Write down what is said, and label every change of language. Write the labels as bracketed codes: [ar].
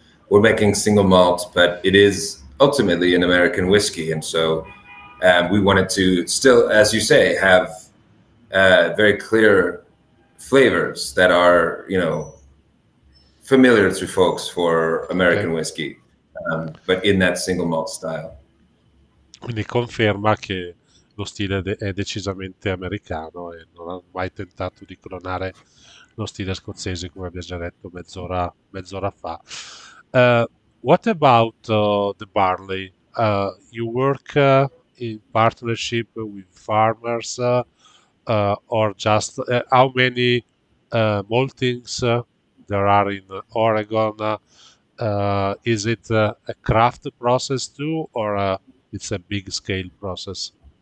[en] We're making single malt, but it is ultimately an American whiskey. And so we wanted to still, as you say, have very clear flavors that are, you know, familiar to folks for Okay. American whiskey, but in that single malt style. [it] Quindi conferma che lo stile de è decisamente americano e non ha mai tentato di clonare lo stile scozzese, come abbiamo già detto mezz'ora fa. [en] What about the barley? You work in partnership with farmers or just how many maltings there are in Oregon? Is it a craft process too, or it's a big scale process?